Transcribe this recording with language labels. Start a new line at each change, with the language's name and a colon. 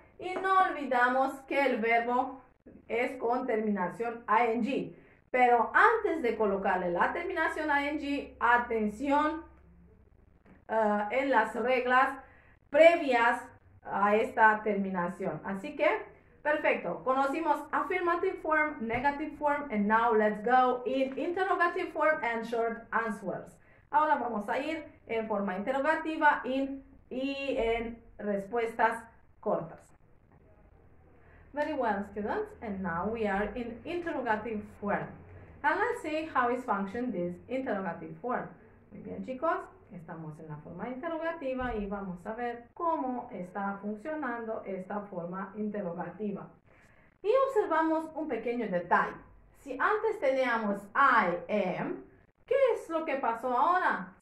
Spanish: Y no olvidamos que el verbo es con terminación ing. Pero antes de colocarle la terminación ing, atención en las reglas previas a esta terminación. Así que, perfecto. Conocimos
English: affirmative form, negative form, and now let's go in interrogative form and short answers.
Spanish: Ahora vamos a ir en forma interrogativa y en respuestas cortas.
English: Very well, students, and now we are in interrogative form. And let's see how is function this interrogative form.
Spanish: Muy bien, chicos, estamos en la forma interrogativa y vamos a ver cómo está funcionando esta forma interrogativa. Y observamos un pequeño detalle. Si antes teníamos
English: I am,
Spanish: ¿qué es lo que pasó ahora?